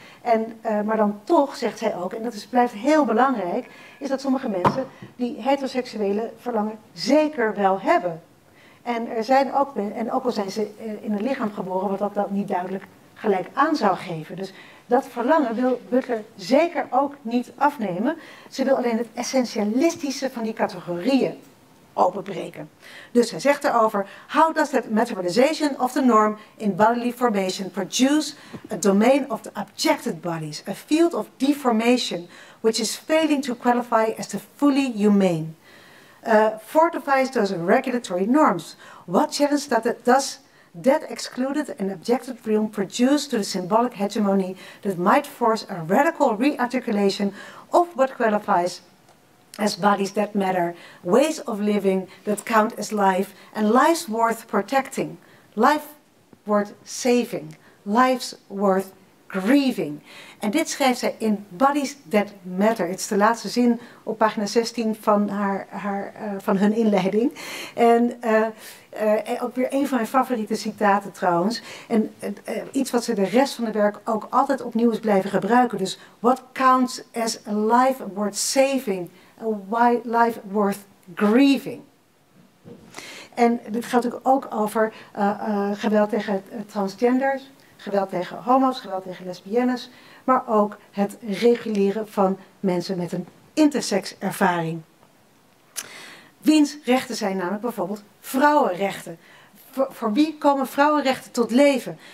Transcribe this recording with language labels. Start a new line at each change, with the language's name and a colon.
Dutch: En, maar dan toch, zegt zij ook, en dat is, blijft heel belangrijk, is dat sommige mensen die heteroseksuele verlangen zeker wel hebben. En er zijn ook, en ook al zijn ze in een lichaam geboren, wat dat niet duidelijk gelijk aan zou geven. Dus dat verlangen wil Butler zeker ook niet afnemen. Ze wil alleen het essentialistische van die categorieën openbreken. Dus hij zegt erover,
English: how does that materialization of the norm in bodily formation produce a domain of the objected bodies, a field of deformation, which is failing to qualify as the fully humane? Fortifies those regulatory norms. What challenge does that excluded and objected realm produce to the symbolic hegemony that might force a radical rearticulation of what qualifies as bodies that matter, ways of living that count as life, and lives worth protecting, life worth saving, lives worth grieving.
Dutch: En dit schrijft zij in Bodies That Matter. Het is de laatste zin op pagina 16 van van hun inleiding. En ook weer een van mijn favoriete citaten trouwens. En iets wat ze de rest van het werk ook altijd opnieuw is blijven gebruiken.
English: Dus what counts as a life worth saving? A life worth grieving?
Dutch: En dit gaat natuurlijk ook over geweld tegen transgenders. Geweld tegen homo's, geweld tegen lesbiennes, maar ook het reguleren van mensen met een intersekservaring. Wiens rechten zijn namelijk bijvoorbeeld vrouwenrechten? Voor wie komen vrouwenrechten tot leven?